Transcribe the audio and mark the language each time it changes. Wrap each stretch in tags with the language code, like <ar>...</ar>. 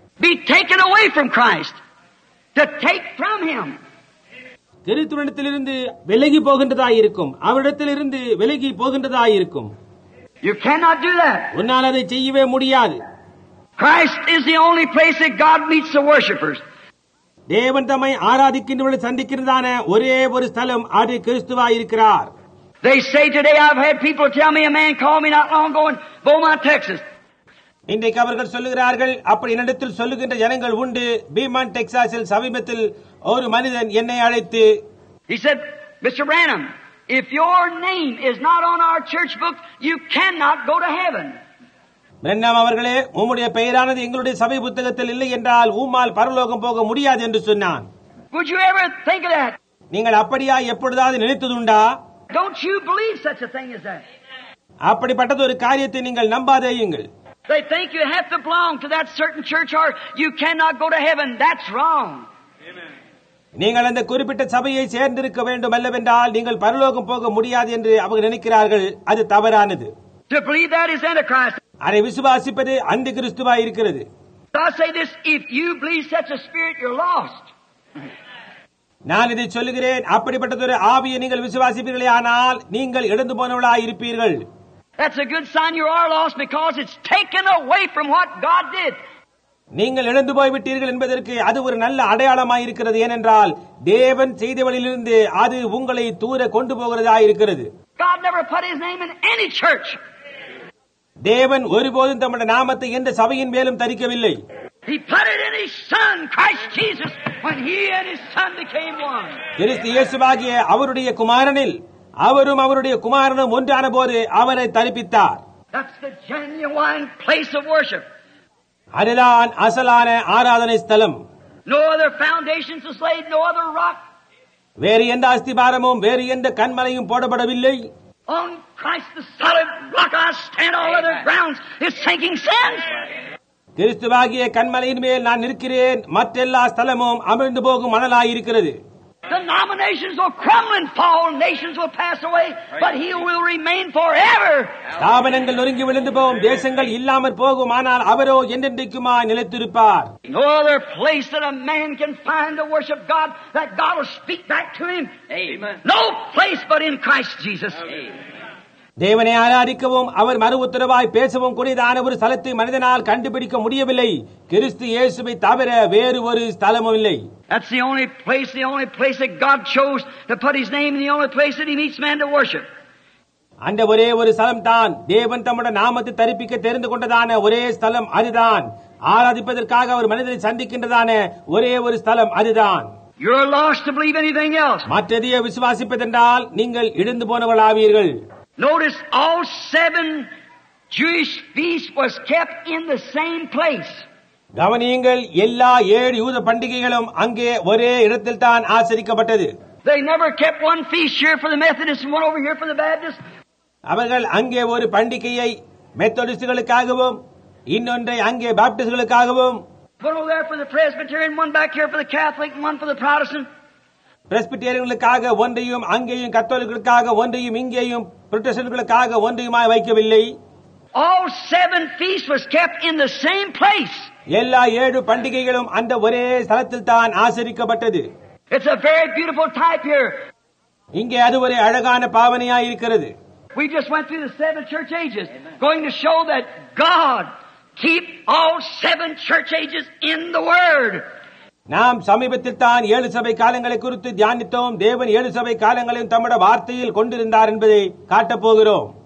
<en>Be taken away from Christ. To take from him.</en> <ta>கிறிஸ்துவிடத்திலிருந்து விலகி போகின்றதாயிருக்கும், அவரிடத்திலிருந்து விலகி போகின்றதாயிருக்கும்.</ta> <en>You cannot do that.</en> <ta>உன்னால் அதை செய்யவே முடியாது.</ta> <en>Christ is the only place that God meets the worshippers.</en> <ta>தேவன் தம்மை ஆராதிக்கின்றவர்கள் சந்திக்கின்றதான ஒரே ஒரு ஸ்தலம் அது கிறிஸ்துவாயிருக்கிறார்.</ta> <en>They say today I've had people tell me a man called me not long ago in Beaumont, Texas.</en> <ta>இன்றைக்கு அவர்கள் சொல்லுகிறார்கள், அப்படி என்னிடத்தில் சொல்லுகின்ற ஜனங்கள் உண்டு, பீமான் டெக்சாஸில் சமீபத்தில் ஒரு மனிதன் என்னை அழைத்து,</ta> <en>He said, Mr. Branham, if your name is not on our church book, you cannot go to heaven.</en> <ta>பிரண்ணம் அவர்களே, உம்முடைய பெயரானது எங்களுடைய சபை புத்தகத்தில் இல்லை என்றால் உம்மால் பரலோகம் போக முடியாது என்று சொன்னான்.</ta> <en>Would you ever think of that?</en> <ta>நீங்கள் அப்படியா எப்பொழுதாவது நினைத்ததுண்டா?</ta> <en>Don't you believe such a thing as that?</en> <ta>அப்படிப்பட்டது ஒரு காரியத்தை நீங்கள் நம்பாதேயுங்கள்.</ta> <en>They think you have to belong to that certain church or you cannot go to heaven. That's wrong.</en> <ta>நீங்கள் அந்த குறிப்பிட்ட சபையை சேர்ந்திருக்க வேண்டும் அல்லவென்றால் நீங்கள் பரலோகம் போக முடியாது என்று அவர்கள் நினைக்கிறார்கள். அது தவறானது.</ta> <en>To believe that is antichrist.</en> <ta>அதை விசுவாசிப்பது அந்திகிறிஸ்துவாய் இருக்கிறது.</ta> <en>I say this, if you believe such a spirit, you're lost.</en> <ta>நான் இதை சொல்லுகிறேன், அப்படிப்பட்டதொரு ஆவியை நீங்கள் விசுவாசிப்பீர்களே ஆனால் நீங்கள் இழந்து போனவர்களாய் இருப்பீர்கள்.</ta> <en>That's a good sign you are lost because it's taken away from what God did.</en> <ta>நீங்கள் இழந்து போய் விட்டீர்கள் என்பதற்கு அது ஒரு நல்ல அடையாளமாக இருக்கிறது, ஏனென்றால் தேவன் செய்தவளிலிருந்து அது உங்களை தூர கொண்டு போகிறதா இருக்கிறது.</ta> <en>God never put his name in any church.</en> <ta>தேவன் ஒருபோதும் தம்முடைய நாமத்தை எந்த சபையின் மேலும் தரிக்கவில்லை.</ta> <en>He put it in his son Christ Jesus when he and his son became one.</en> <ta>கிறிஸ்து இயேசுவாகிய அவருடைய குமாரனில் அவரும் அவருடைய குமாரனும் ஒன்றான போது அவரை தரிப்பித்தார்.</ta> <en>That's the genuine place of worship.</en> <ta>அதுதான் அசலான ஆராதனை ஸ்தலம்.</ta> <en>No other foundations was laid, no other rock.</en> <ta>வேறு எந்த அஸ்திபாரமும் வேறு எந்த கண்மலையும் போடப்படவில்லை.</ta> <en>On Christ the solid rock I stand, all other grounds is sinking sand.</en> <ta>கிறிஸ்துவாகிய கண்மலையின் மேல் நான் நிற்கிறேன், மற்றெல்லா ஸ்தலமும் அமிழ்ந்து போகும் மணலாயிருக்கிறது.</ta> <en>The nominations will crumble and fall, nations will pass away, but he will remain forever.</en> <ta>ஸ்தாபனங்கள் நொறுங்கி விழுந்து போகும், தேசங்கள் இல்லாமற் போகும், ஆனால் அவரோ என்றென்றைக்குமாய் நிலைத்திருப்பார்.</ta> <en>No other place that a man can find to worship God that God will speak back to him. Amen. No place but in Christ Jesus.</en> <ta>தேவனை ஆராதிக்கவும் அவர் மறு உத்தரவாய் பேசவும் கூடியதான ஒரு ஸ்தலத்தை மனிதனால் கண்டுபிடிக்க முடியவில்லை. கிறிஸ்து இயேசுவை தவிர வேறு ஒரு ஸ்தலமும் இல்லை.</ta> <en>That's the only place that God chose to put his name in, the only place that he meets man to worship.</en> <ta>அந்த ஒரே ஒரு ஸ்தலம் தான், தேவன் தம்முடைய நாமத்தை தரிப்பிக்க தெரிந்து கொண்டதான ஒரே ஸ்தலம் அதுதான். ஆராதிப்பதற்காக அவர் மனிதனை சந்திக்கின்றதான ஒரே ஒரு ஸ்தலம் அதுதான்.</ta> <en>You're lost to believe anything else.</en> <ta>மற்றதையே விசுவாசிப்பதென்றால் நீங்கள் இழந்து போனவர்களாவீர்கள்.</ta> <en>Notice all seven Jewish feasts was kept in the same place.</en> <ta>கவனியங்கள், எல்லா ஏழு யூத பண்டிகைகளும் அங்கே ஒரே இடத்தில் தான் ஆசரிக்கப்பட்டது.</ta> <en>They never kept one feast here for the Methodists and one over here for the Baptists.</en> <ta>அவர்கள் அங்கே ஒரு பண்டிகையை மெத்தடிஸ்டுகளுக்காகவும் இன்னொன்றை அங்கே பாப்டிஸ்டுகளுக்காகவும்,</ta> <en>one over there for the Presbyterian, one back here for the Catholic, one for the Protestant.</en> <ta>பிரஸ்பிட்டேரியர்களுக்காக ஒன்றையும், அங்கேயும் கத்தோலிக்களுக்காக ஒன்றையும், இங்கேயும் புரொட்டஸ்டன்ட்களுக்காக ஒன்றையுமாய் வைக்கவில்லை.</ta> <en>All seven feasts was kept in the same place.</en> <ta>எல்லா ஏழு பண்டிகைகளும் அந்த ஒரே ஸ்தலத்தில் தான் ஆசரிக்கப்பட்டது.</ta> <en>It's a very beautiful type here.</en> <ta>இங்கே அது ஒரு அழகான பாவனையாய் இருக்கிறது.</ta> <en>We just went through the seven church ages, going to show that God keep all seven church ages in the Word.</en> <ta>நாம் சமீபத்தில் தான் ஏழு சபை காலங்களை குறித்து தியானித்தோம். தேவன் ஏழு சபை காலங்களையும் தம்முடைய வார்த்தையில் கொண்டிருந்தார் என்பதை காட்டப் போகிறோம்.</ta>